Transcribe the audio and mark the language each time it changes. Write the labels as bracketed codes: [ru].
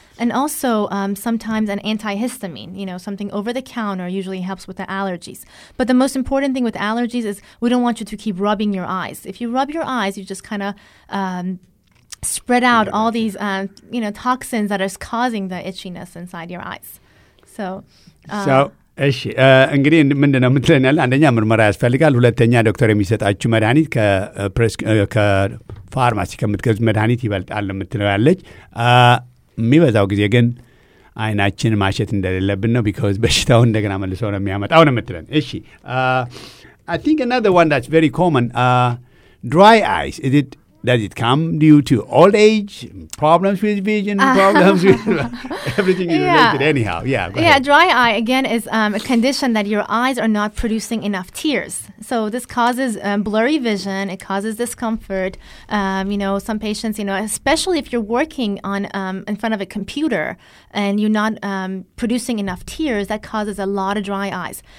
[en] And also sometimes an antihistamine, you know, something over the counter usually helps with the allergies. But the most important thing with allergies is we don't want you to keep rubbing your eyes. If you rub your eyes, you just kind of spread out all these, you know, toxins that are causing the itchiness inside your eyes. So, [am] እሺ እንግዲህ ምንድነው ምትለናል አንደኛ ምርመራ ያስፈልጋል ሁለተኛ ዶክተር የሚሰጣችሁ መድኃኒት ከፋርማሲ ከምትገዙ መድኃኒት ይበልጣል ምትለው ያለች የሚበዛው ጊዜ ግን አይናችን ማሸት እንደሌለብን ነው because በሽታው እንደገና መልሶ ነው የሚያመጣው ነው ምትለን እሺ [en] I think another one that's very common dry eyes is it Does it come due to old age, problems with vision, problems with everything is related anyhow? Yeah, dry eye, again, is a condition that your eyes are not producing enough tears. So this causes blurry vision. It causes discomfort. You know, some patients, you know, especially if you're working on in front of a computer and you're not producing enough tears, that causes a lot of dry eyes.